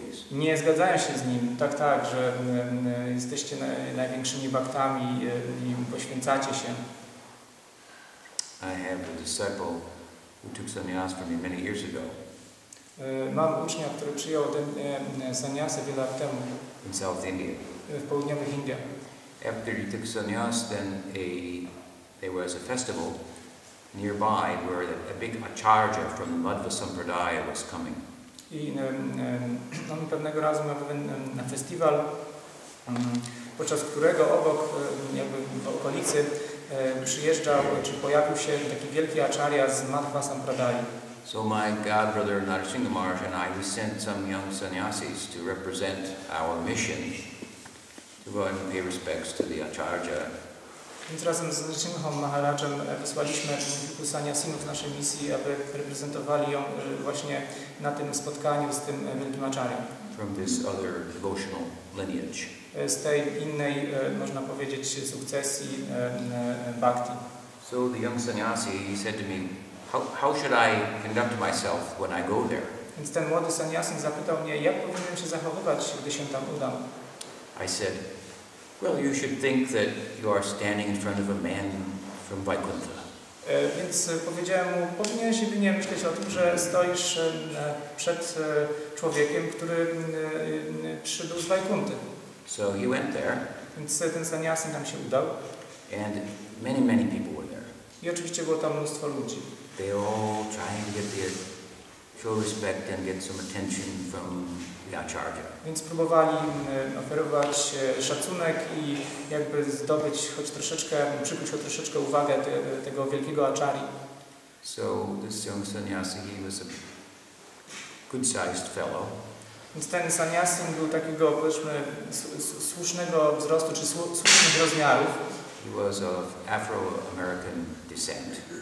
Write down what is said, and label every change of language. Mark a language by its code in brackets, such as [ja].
[pl] Nie zgadzają się z nim, tak, że jesteście największymi bhaktami i poświęcacie się. [en] I have a disciple who took sannyas from me many years ago. [pl] Mam ucznia, który przyjął ten sannyasę wiele lat temu. [en] In South India. [pl] W południowych Indiach. [en] After he took sannyas, then there was a festival nearby where a big acharya from the Madhva Sampradaya was coming. [pl] I on pewnego razu miał pewien na festiwal, podczas którego obok, jakby w okolicy, przyjeżdżał, czy pojawił się taki wielki acharya z Madhva Sampradaya. [en] So my god brother Narasingha Maharaj and I, we sent some young sannyasis to represent our mission, to go and pay respects to the acharya. [pl] Więc razem z Narasingha Maharajem wysłaliśmy kilku sannyasinów naszej misji, aby reprezentowali ją właśnie na tym spotkaniu z tym wielkim acharyam. [en] From this other devotional lineage. [pl] Z tej innej, można powiedzieć, sukcesji bhakti. [en] So the young sannyasi, he said to me, how should I conduct myself when I go there? [pl] Więc ten młody sannyasin zapytał mnie, jak powinienem się zachowywać, gdy się tam udam. [en] I said, well, you should think that you are standing in front of a man from Vaikuntha. [pl] Więc powiedziałem mu, powinieneś jedynie myśleć o tym, że stoisz przed człowiekiem, który przybył z Vaikunty. [en] So he went there. [pl] Więc ten sannyasin tam się udał. [en] And many, many people were there. [pl] I oczywiście było tam mnóstwo ludzi. [en] They all trying to get the show respect and get some attention from the acharya. [pl] Więc próbowali oferować szacunek i jakby zdobyć choć troszeczkę, przykuć choć troszeczkę uwagę tego wielkiego acharyi. [en] So this young sannyasi, he was a good-sized fellow. [pl] Więc ten sannyasin był takiego, powiedzmy, słusznego wzrostu, czy słusznych rozmiarów. [en] He was of Afro-American descent.